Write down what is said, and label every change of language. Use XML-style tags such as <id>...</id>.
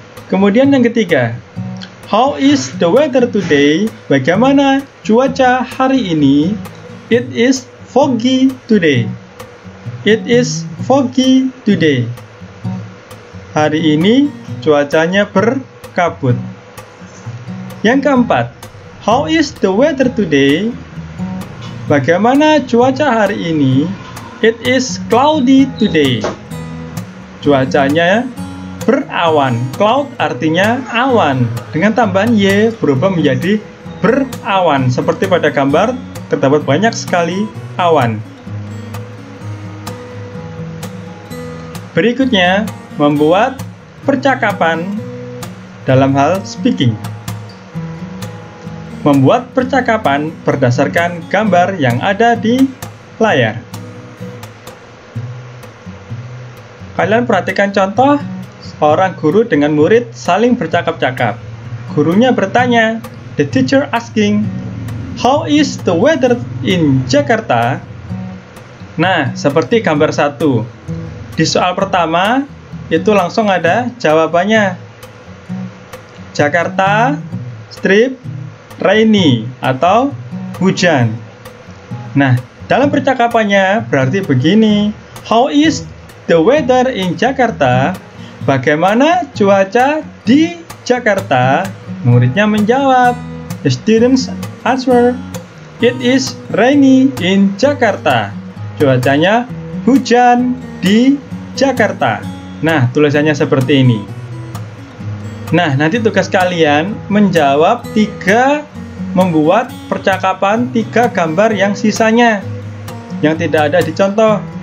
<id>Kemudian yang ketiga,</id> <en>how is the weather today?</en> <id>Bagaimana cuaca hari ini?</id> <en>It is foggy today. It is foggy today.</en> <id>Hari ini cuacanya berkabut. Yang keempat,</id> <en>how is the weather today?</en> <id>Bagaimana cuaca hari ini?</id> <en>It is cloudy today.</en> <id>Cuacanya berawan. Cloud artinya awan. Dengan tambahan Y berubah menjadi berawan. Seperti pada gambar, terdapat banyak sekali awan. Berikutnya, membuat percakapan dalam hal speaking. Membuat percakapan berdasarkan gambar yang ada di layar. Kalian perhatikan contoh seorang guru dengan murid saling bercakap-cakap. Gurunya bertanya,</id> <en>the teacher asking, how is the weather in Jakarta?</en> <id>Nah, seperti gambar 1. Di soal pertama, itu langsung ada jawabannya. Jakarta, strip, rainy atau hujan. Nah, dalam percakapannya berarti begini.</id> <en>How is the weather in Jakarta.</en> <id>Bagaimana cuaca di Jakarta? Muridnya menjawab.</id> <en>The students answer, it is rainy in Jakarta.</en> <id>Cuacanya hujan di Jakarta. Nah, tulisannya seperti ini. Nah, nanti tugas kalian menjawab tiga, membuat percakapan tiga gambar yang sisanya yang tidak ada di contoh.</id>